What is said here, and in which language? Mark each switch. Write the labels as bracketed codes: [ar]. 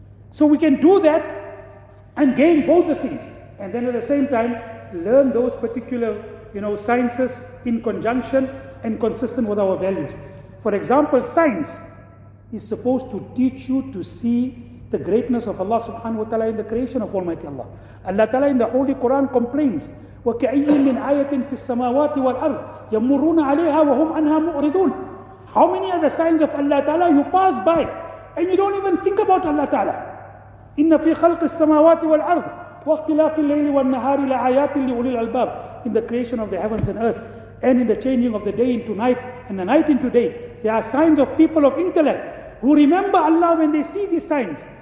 [en] So we can do that and gain both the things. And then at the same time, learn those particular, you know, sciences in conjunction and consistent with our values. For example, science is supposed to teach you to see the greatness of Allah subhanahu wa ta'ala in the creation of Almighty Allah. Allah ta'ala in the Holy Quran complains, [ar] وَكَأَيِّن مِّنْ آيَةٍ فِي السَّمَاوَاتِ وَالْأَرْضِ يَمُرُّونَ عَلَيْهَا وَهُمْ عَنْهَا مُؤْرِضُونَ. [en] How many are the signs of Allah ta'ala you pass by and you don't even think about Allah ta'ala? [ar] إِنَّ فِي خَلْقِ السَّمَاوَاتِ وَالْأَرْضِ وَاخْتِلَافِ اللَّيْلِ وَالنَّهَارِ لَآيَاتٍ لِّأُولِي الْأَلْبَابِ. [en] In the creation of the heavens and earth, and in the changing of the day into night and the night into day, there are signs of people of intellect who remember Allah when they see these signs.